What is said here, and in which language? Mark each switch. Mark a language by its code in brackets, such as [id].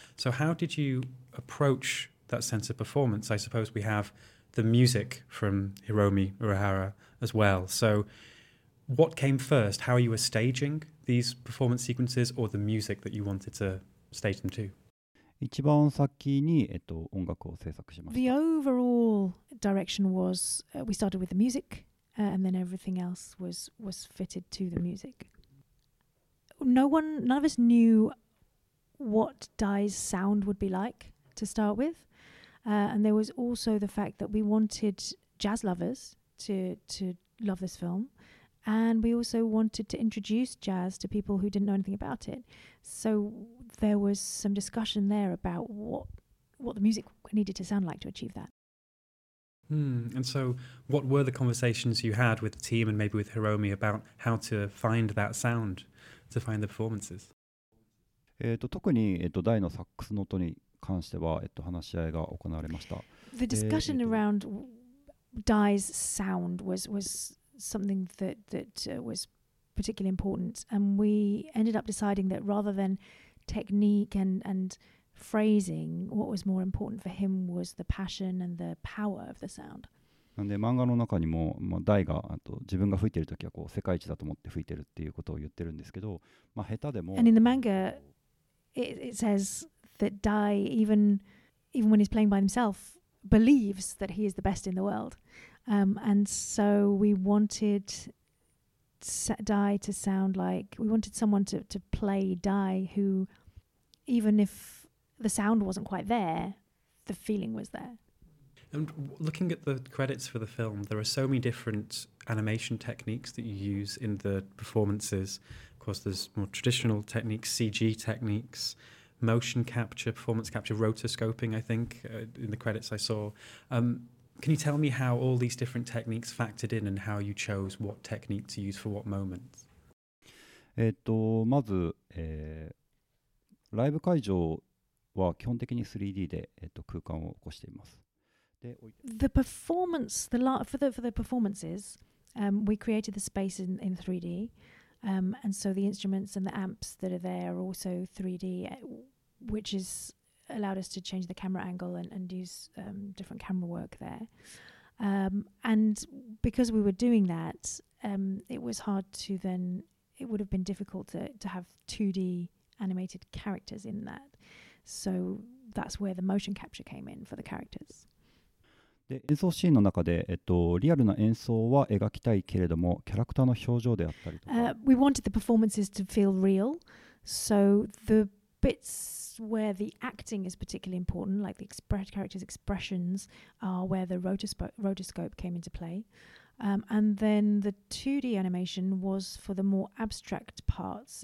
[en] So how did you approach that sense of performance? I suppose we have the music from Hiromi Urahara as well. So what came first? How you were staging these performance sequences or the music that you wanted to stage them to? [ja] 一番先に、音楽を制作しました。 [en] The overall direction was we started with the music, and then everything else was fitted to the music. None of us knew what Dai's sound would be like to start with, and there was also the fact that we wanted jazz lovers to love this film, and we also wanted to introduce jazz to people who didn't know anything about it. So there was some discussion there about what the music needed to sound like to achieve that. And so what were the conversations you had with the team and maybe with Hiromi about how to find that sound, to find the performances? [ja] 特に、ダイのサックスの音に関しては、話し合いが行われました。 [en] The discussion around Dai's sound was something that was particularly important, and we ended up deciding that rather than technique and phrasing, what was more important for him was the passion and the power of the sound. [ja] なんで漫画の中にも、ダイが自分が吹いてるときはこう世界一だと思って吹いてるっていうことを言ってるんですけど、下手でも。 [en] And in the manga, it says that Dai, even when he's playing by himself, believes that he is the best in the world. And so we wanted Dai to sound like, we wanted someone to play Dai who, even if the sound wasn't quite there, the feeling was there. And looking at the credits for the film, there are so many different animation techniques that you use in the performances. Of course, there's more traditional techniques, CG techniques, motion capture, performance capture, rotoscoping, I think, in the credits I saw. Can you tell me how all these different techniques factored in and how you chose what technique to use for what moment? [ja] まず、ライブ会場は基本的に 3D で、空間を起こしています。で [en] The performance, the la- for, the, for the performances、we created the space in 3D、and so the instruments and the amps that are there are also 3D which has allowed us to change the camera angle and use、different camera work there、and because we were doing that、it was hard to then it would have been difficult to have 2D animated characters in that. So that's where the motion capture came in for the characters. [ja] で、演奏シーンの中で、リアルな演奏は描きたいけれども、キャラクターの表情であったりとか。 [en] We wanted the performances to feel real. So the bits where the acting is particularly important, like the characters' expressions, are where the rotoscope came into play. And then the 2D animation was for the more abstract parts.